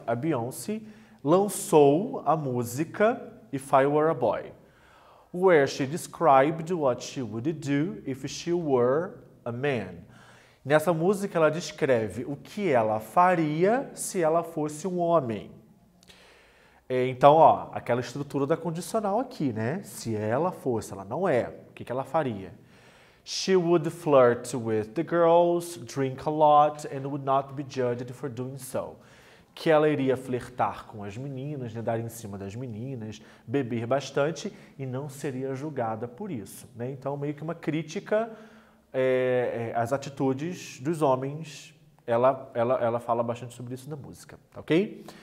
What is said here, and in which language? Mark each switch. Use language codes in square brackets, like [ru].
[pt] A Beyoncé lançou a música [en] If I Were a Boy, where she described what she would do if she were a man. [pt] Nessa música, ela descreve o que ela faria se ela fosse um homem. Então, ó, aquela estrutura da condicional aqui, né? Se ela fosse, ela não é, o que ela faria? [en] She would flirt with the girls, drink a lot, and would not be judged for doing so. [pt] Que ela iria flertar com as meninas, né, dar em cima das meninas, beber bastante e não seria julgada por isso, né? Então, meio que uma crítica às atitudes dos homens. Ela fala bastante sobre isso na música, ok?